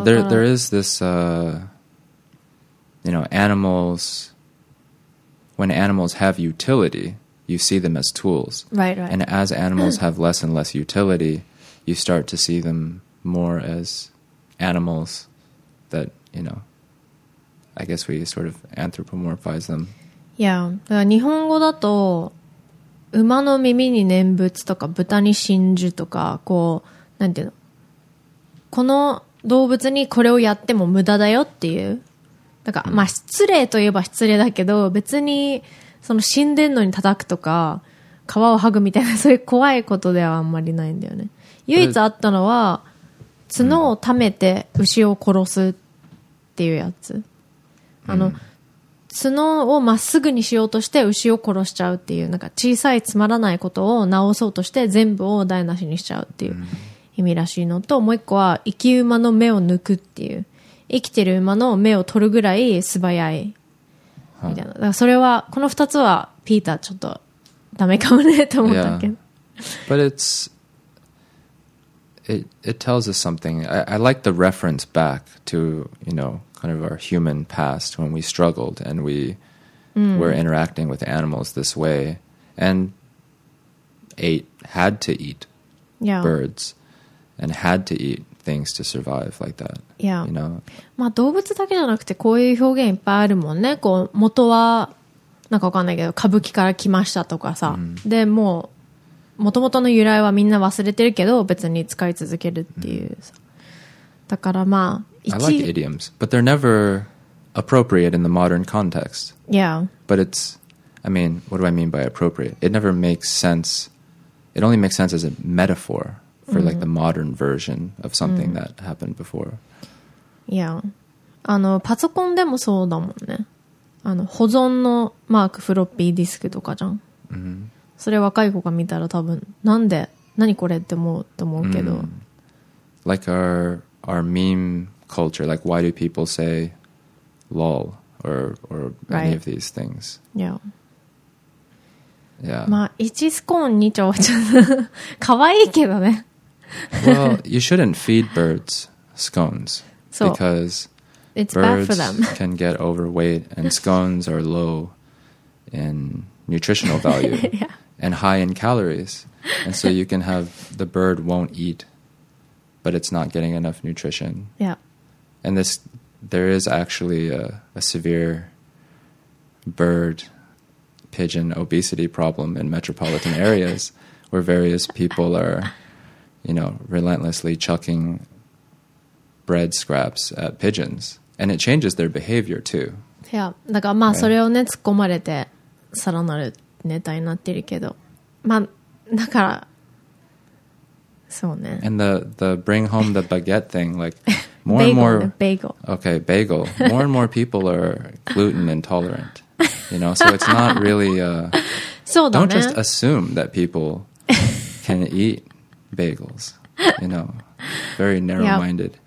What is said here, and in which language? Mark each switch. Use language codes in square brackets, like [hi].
[en] There is this,、you know, animals, when animals have utility, you see them as tools. Right, right. And as animals have less and less utility, you start to see them more as animals. That, you know, I guess we sort of anthropomorphize them. [ja] Yeah, だから日本語だと馬の耳に念仏とか豚に真珠とかこうなんていうの、この動物にこれをやっても無駄だよっていう、だから、まあ失礼といえば失礼だけど、別にその死んでんのに叩くとか皮を剥ぐみたいなそういう怖いことではあんまりないんだよね。唯一あったのは角を溜めて牛を殺すっていうやつ、角をまっすぐにしようとして牛を殺しちゃうっていう、なんか小さいつまらないことを直そうとして全部を台無しにしちゃうっていう意味らしいのと、もう一個は生き馬の目を抜くっていう、生きてる馬の目を取るぐらい素早いみたいな。だからそれはこの二つはピーターちょっとダメかもねと思ったけど、 [en] yeah. But it'sIt tells us something. I like the reference back to, you know, kind of our human past when we struggled and we were interacting with animals this way and had to eat birds and had to eat things to survive like that. Yeah. You know? [ja] まあ動物だけじゃなくてこういう表現いっぱいあるもんね。こう元はなんかわかんないけど歌舞伎から来ましたとかさ。 Mm. でもう元々の由来はみんな忘れてるけど別に使い続けるっていう。 Mm. だからまあ [en] I like idioms, but they're never appropriate in the modern context. Yeah. But it's, I mean, what do I mean by appropriate? It never makes sense. It only makes sense as a metaphor for、mm. like the modern version of something、mm. that happened before. Yeah. [ja] あのパソコンでもそうだもんね。あの保存のマークフロッピーディスクとかじゃん。 Mm-hmm. それ若い子が見たら多分なんで何これって思うと思うけど。 [en] Mm. Like our meme. Culture, like why do people say lol or、right. any of these things? Yeah. Yeah. [ja] まあ一スコーン二丁はちょっと可愛いけどね。 [en] Well, you shouldn't feed birds scones because it's birds bad for them. can get overweight, and scones are low in nutritional value and high in calories, and so you can have the bird won't eat, but it's not getting enough nutrition. Yeah. And this, there is actually a severe bird pigeon obesity problem in metropolitan areas where various people are, you know, relentlessly chucking bread scraps at pigeons. And it changes their behavior too. [ja] Yeah, だからまあそれをね突っ込まれてさらなるネタになってるけど。まあだから、そうね。 [en] And the bring home the baguette thing, like... More bagel, and more, bagel. Okay, bagel. More and more people are gluten intolerant, you know, so it's not really, [ja] そうだね。 [en] Don't just assume that people can eat bagels, you know, very narrow-minded.